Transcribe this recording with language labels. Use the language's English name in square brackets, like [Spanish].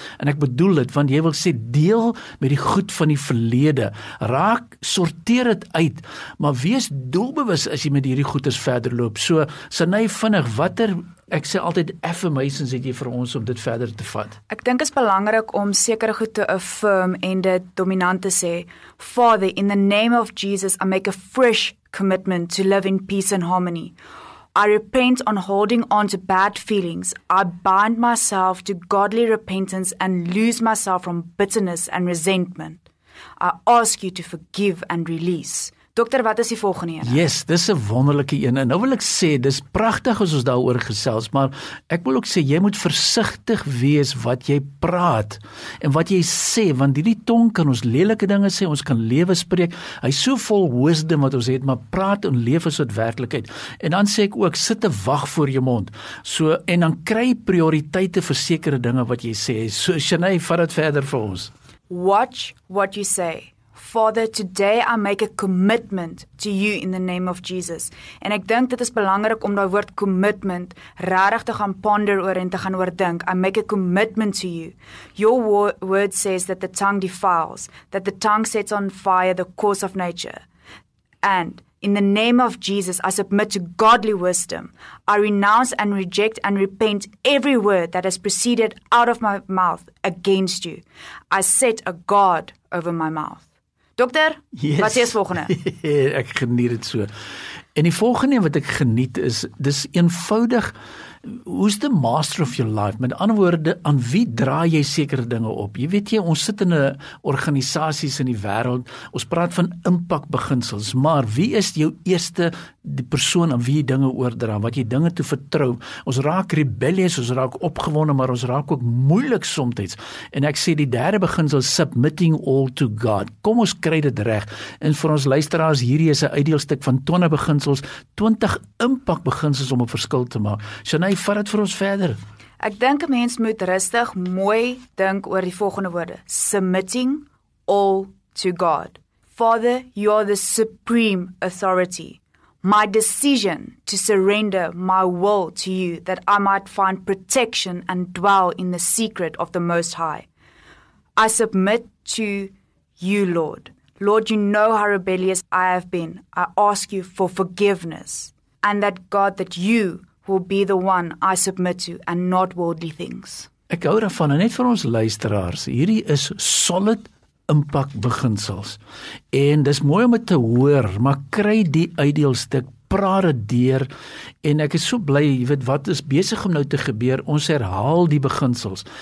[Afrikaans] En ek bedoel dit, want jy wil sê deel met die goed van die verlede. Raak, sorteer het uit, maar wees doelbewus as jy met hierdie goeders verder loop. So, Sanay vinnig, ek sê altyd affirmations het jy vir ons om dit verder te vat. Ek dink is belangrik om sekere goed te affirm en dit dominant te sê. [English] Father, in the name of Jesus, I make a fresh commitment to live in peace and harmony. I repent on holding on to bad feelings. I bind myself to godly repentance and lose myself from bitterness and resentment. I ask you to forgive and release. [Afrikaans] Dokter, wat is die volgende een? Yes, dis 'n wonderlike een. En nou wil ek sê, dis prachtig as ons daaroor gesels, maar ek wil ook sê, jy moet versigtig wees wat jy praat en wat jy sê, want die tong kan ons lelike dinge sê, ons kan lewe spreek, hy is so vol wisdom wat ons het, maar praat en lewe is wat werklikheid. En dan sê ek ook, sit 'n wag voor jou mond. So, en dan kry prioriteite vir sekere dinge wat jy sê. So, Shanay, vat het verder vir ons. [English] Watch what you say. Father, today I make a commitment to you in the name of Jesus. [Afrikaans] En ek dink dit is belangrik om daai woord commitment regtig te gaan ponder oor en te gaan oordink. [English] I make a commitment to you. Your word says that the tongue defiles, that the tongue sets on fire the course of nature. And in the name of Jesus, I submit to godly wisdom. I renounce and reject and repent every word that has proceeded out of my mouth against you. I set a guard over my mouth. [Afrikaans] Dokter, [English] yes. [Afrikaans] Wat is volgende? Ek geniet het so. En die volgende wat ek geniet is, dis eenvoudig, [English] who's the master of your life? [Afrikaans] Met ander woorde, aan wie draai jy sekere dinge op? Jy weet jy, ons sit in organisaties in die wêreld, ons praat van impakbeginsels, maar wie is jou eerste die persoon aan wie jy dinge oordra, wat jy dinge toe vertrou? Ons raak rebellious, ons raak opgewonde, maar ons raak ook moeilik somtijds. En ek sê die derde beginsel, [English] submitting all to God. [Afrikaans] Kom ons kry dit reg. En vir ons luisteraars, hierdie is 'n uitdeelstuk van 20 beginsels, 20 impakbeginsels om 'n verskil te maak. Shanay, vat het vir ons verder. Ek dink 'n mens moet rustig mooi dink oor die volgende woorde. [English] Submitting all to God. Father, you are the supreme authority. My decision to surrender my will to you that I might find protection and dwell in the secret of the Most High. I submit to you, Lord. Lord, you know how rebellious I have been. I ask you for forgiveness and that God that you will be the one I submit to and not worldly things. [Afrikaans] Ek hou daarvan, net vir ons luisteraars, hierdie is solid impakbeginsels. En dis mooi om dit te hoor, maar kry die uitdeelstuk, praat dit deur. En ek is so bly, jy weet wat is besig om nou te gebeur, ons herhaal die beginsels.